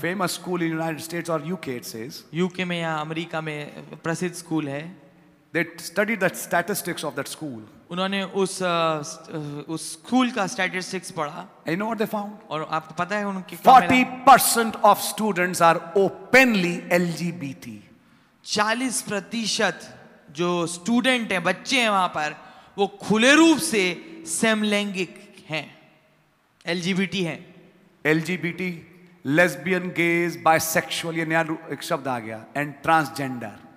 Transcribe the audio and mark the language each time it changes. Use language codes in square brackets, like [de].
[en] Famous school in United States or UK, it says, [hi] UK में या America में प्रसिद्ध स्कूल है। [en] They studied the statistics of that school. [hi] उन्होंने उस स्कूल का स्टैटिस्टिक्स पढ़ा। [en] You know what they found? [hi] और आपको पता है उनके [en] 40% of students are openly LGBT. [hi] 40% जो स्टूडेंट हैं, बच्चे हैं वहां पर, वो खुले रूप से समलैंगिक हैं, LGBT हैं। [en] LGBT, lesbian, gays, bisexual, [hi] ये नया एक शब्द आ गया, [en] and transgender.